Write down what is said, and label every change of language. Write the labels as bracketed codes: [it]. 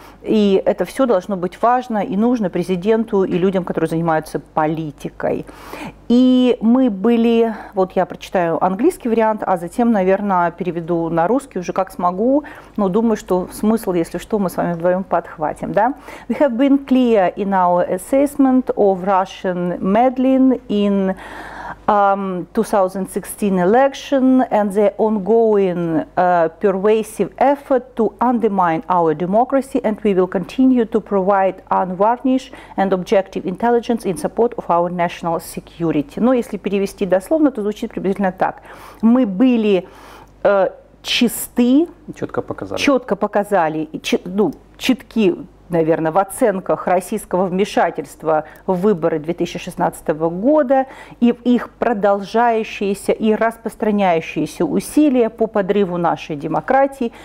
[ru] И это все должно быть важно и нужно президенту и людям, которые занимаются политикой. И мы были, вот я прочитаю английский вариант, а затем, наверное, переведу на русский, уже как смогу, но думаю, что смысл, если что, мы с вами вдвоем подхватим. Да? [en] We have been clear in our assessment of Russian meddling in 2016 election and the ongoing pervasive effort to undermine our democracy, and we will continue to provide unvarnished and objective intelligence in support of our national security. [ru] Но если перевести дословно, то звучит приблизительно так. Мы были чисты, четко показали, чутки, наверное, в оценках российского вмешательства в выборы 2016 года и в их продолжающиеся и распространяющиеся усилия по подрыву нашей демократии.